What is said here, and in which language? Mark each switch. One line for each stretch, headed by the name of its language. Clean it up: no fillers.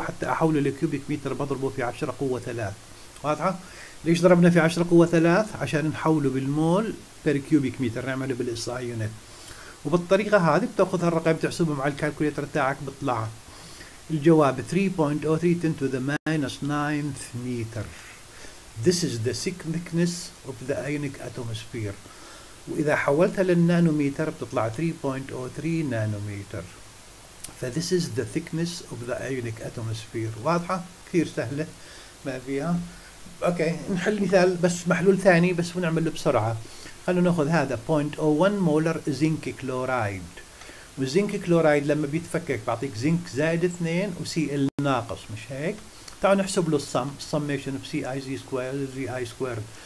Arabic: حتى احوله لكيوبيك متر بضربه في 10 قوة 3، واضحة؟ ليش ضربنا في 10 قوة 3؟ عشان نحوله بالمول بير كيوبيك متر، نعمله بالاس اي يونت. وبالطريقة هذه بتاخذ هالرقم بتحسبه مع الكالكوليتر تاعك، بيطلع الجواب 3.03 10
English: to the minus 9th meter. This is the thickness of the ionic atmosphere.
Arabic: وإذا حولتها للنانومتر بتطلع 3.03 نانومتر.
English: فthis is the thickness of the ionic atmosphere.
Arabic: واضحة؟ كثير سهلة ما فيها. اوكي نحل مثال بس محلول ثاني بس ونعمله بسرعة. خلونا ناخذ هذا 0.01 مولر زنك كلورايد. والزنك كلورايد لما بيتفكك بيعطيك زنك زائد 2 وسي ال ناقص، مش هيك؟ تعالوا نحسب له الصم، summation of سي اي زي سكوير زي اي سكوير.